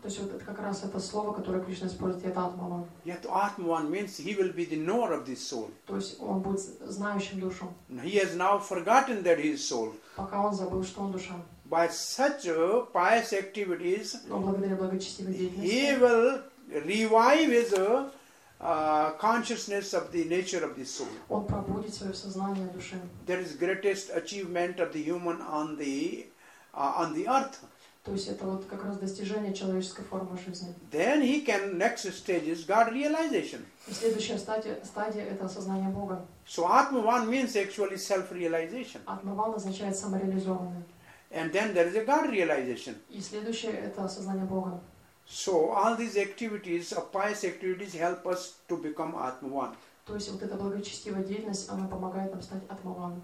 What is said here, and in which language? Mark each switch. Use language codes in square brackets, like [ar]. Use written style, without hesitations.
[ru] То есть вот как раз это слово, которое Кришна использует, Yat Atmavan. [en] Yat Atmavan means he will be the knower of this soul. [ru] То есть он будет знающим душу. [en] He has now forgotten that he is soul. [ru] Пока он забыл, что он душа. [en] By such pious activities, [ru] но благодаря благочестивой деятельности, [en] he will revive his consciousness of the nature of the soul. [ru] Он пробудит свое сознание души. [en] That is greatest achievement of the human on the earth. [ru] То есть это вот как раз достижение человеческой формы жизни. [en] Then he can, next stage is God realization. [ru] И следующая стадия это осознание Бога. [en] So Atmavan means actually self-realization. [ru] Атмаван означает самореализованное. [en] And then there is a God realization. [ru] И следующее это осознание Бога. [en] So all these activities, pious activities, help us to become Atmavan. [ru] То есть вот эта благочестивая деятельность, она помогает нам стать Атмаван.